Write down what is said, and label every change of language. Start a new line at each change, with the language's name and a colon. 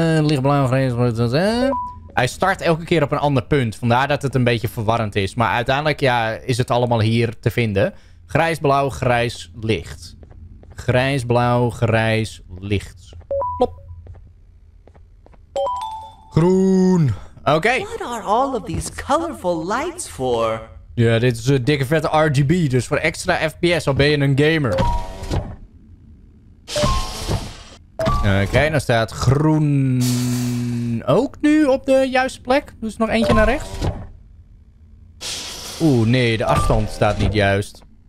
Dutch: Lichtblauw, grijs, blauw. Hij start elke keer op een ander punt. Vandaar dat het een beetje verwarrend is. Maar uiteindelijk ja, is het allemaal hier te vinden. Grijs, blauw, grijs, licht. Grijs, blauw, grijs, licht. Plop. Groen. Oké. Okay.
English: What are all of these colorful lights for?
Dutch: Ja, dit is een dikke vette RGB. Dus voor extra FPS, al ben je een gamer. Oké, okay, dan staat groen ook nu op de juiste plek. Dus nog eentje naar rechts. Oeh, nee, de afstand staat niet juist.